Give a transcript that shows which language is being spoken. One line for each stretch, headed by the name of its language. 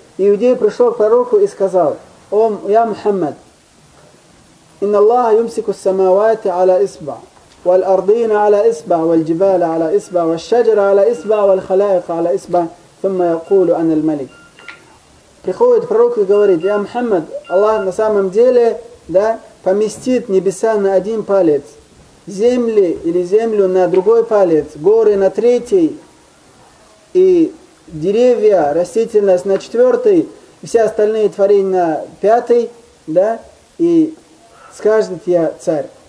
Russian: Иудей пришел к пророку и сказал: «О, я Мухаммад!
Arabic: إن الله يمسك السماوات على إصبع والأرضين على إصبع والجبال على إصبع والشجر على إصبع والخلائق على إصبع ثم يقول أنا الملك».
Russian: Приходит пророк и говорит: «Я Мухаммад, Аллах на самом деле, да, поместит небеса на один палец, земли или землю на другой палец, горы на третий и деревья, растительность на четвертый, все остальные творения на пятый, да, и скажет: я царь».